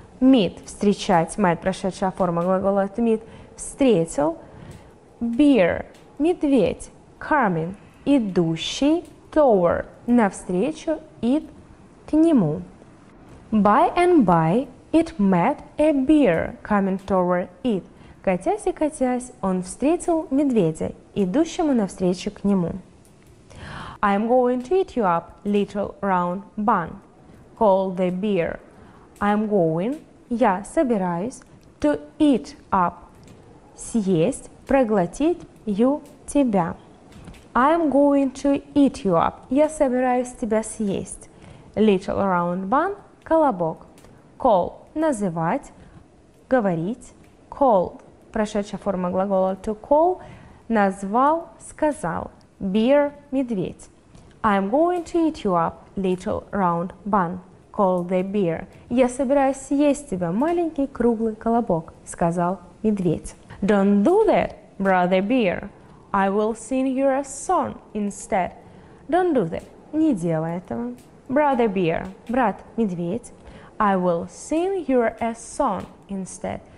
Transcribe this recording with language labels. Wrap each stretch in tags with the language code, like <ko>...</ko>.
<en>meet</en> <ru>– встречать,</ru> <en>met</en> <ru>– прошедшая форма глагола</ru> <en>to meet</en> <ru>– встретил.</ru> <en>Bear –</en> <ru>медведь.</ru> <en>Coming –</en> <ru>идущий.</ru> <en>Toward</en> <ru>– навстречу.</ru> <en>It</en> <ru>– к нему.</ru> <en>By and by, it met a bear coming toward it.</en> <ru>Катясь и катясь, он встретил медведя, идущему навстречу к нему.</ru> <en>I'm going to eat you up, little round bun, called the bear. I'm going,</en> <ru>я собираюсь,</ru> <en>to eat up,</en> <ru>съесть, проглотить</ru> <en>you,</en> <ru>тебя.</ru> <en>I'm going to eat you up,</en> <ru>я собираюсь тебя съесть,</ru> <en>little round bun,</en> <ru>колобок,</ru> <en>call,</en> <ru>называть, говорить,</ru> <en>called,</en> <ru>прошедшая форма глагола</ru> <en>to call,</en> <ru>назвал, сказал,</ru> <en>bear,</en> <ru>медведь.</ru> <en>I'm going to eat you up, little round bun, called the bear.</en> <ru>Я собираюсь съесть тебя, маленький круглый колобок, сказал медведь.</ru> <en>Don't do that, brother bear. I will sing you a song instead. Don't do that.</en> <ru>Не делай этого.</ru> <en>Brother bear,</en> <ru>брат медведь.</ru> <en>I will sing you a song instead.</en>